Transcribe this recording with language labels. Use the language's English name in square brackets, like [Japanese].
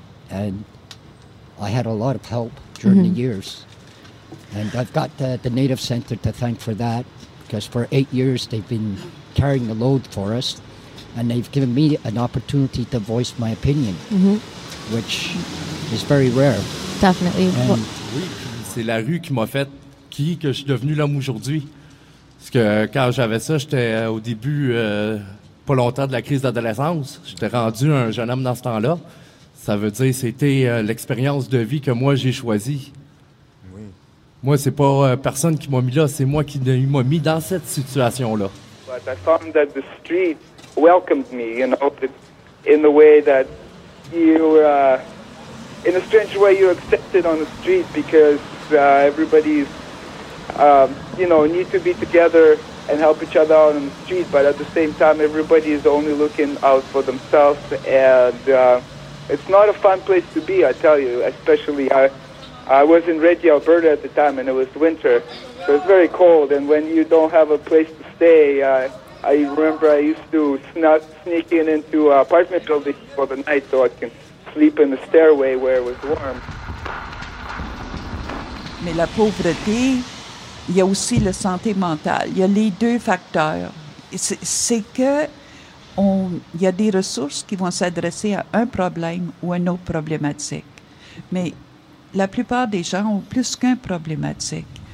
[English] And I had a lot of help during the years. And I've got the Native Center to thank for that. Because for 8 years, they've been carrying the load for us. And they've given me an opportunity to voice my opinion. Which is very rare. Definitely. [French] Oui, c'est la rue qui m'a fait qui que je suis devenu l'homme aujourd'hui. Parce que quand j'avais ça, j'étais au début, pas longtemps de la crise d'adolescence. J'étais rendu un jeune homme dans ce temps-là. Ça veut dire que c'était l'expérience de vie que moi, j'ai choisie. Oui. Moi, c'est pas personne qui m'a mis là, c'est moi qui m'a mis dans cette situation-là. [English] But I found that the street welcomed me, you know, in the way that in a strange way, you're accepted on the street because everybody's, you know, need to be together and help each other out on the street. But at the same time, everybody is only looking out for themselves. And it's not a fun place to be, I tell you, especially I was in Red Deer, Alberta at the time, and it was winter. So it's very cold. And when you don't have a place to stay, I remember I used to sneak in into an apartment building for the night so I can sleep in the stairway where it was warm. [French] Mais la pauvreté, il y a aussi la santé mentale. Il y a les deux facteurs. C'est que il y a des ressources qui vont s'adresser à un problème ou à une autre problématique. Mais la plupart des gens ont plus qu'un problématique.